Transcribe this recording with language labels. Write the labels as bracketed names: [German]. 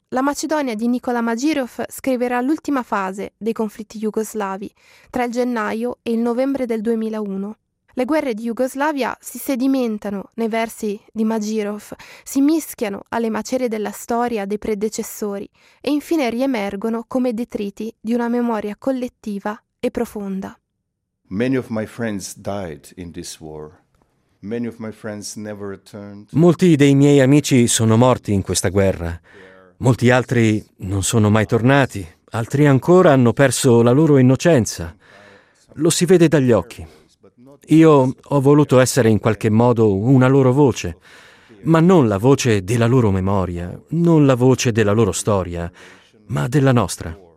[Italian] La Macedonia di Nikola Magirov scriverà l'ultima fase dei conflitti jugoslavi, tra il gennaio e il novembre del 2001. Le guerre di Jugoslavia si sedimentano nei versi di Magirov, si mischiano alle macerie della storia dei predecessori e infine riemergono come detriti di una memoria collettiva e profonda. [English] Many of my friends died in this war. Many of my friends never returned. [Italian] Molti dei miei amici sono morti in questa guerra. Molti altri non sono mai tornati. Altri ancora hanno perso la loro innocenza. Lo si vede dagli occhi. Io ho voluto essere in qualche modo una loro voce, ma non la voce della loro memoria, non la voce della loro storia, ma della nostra.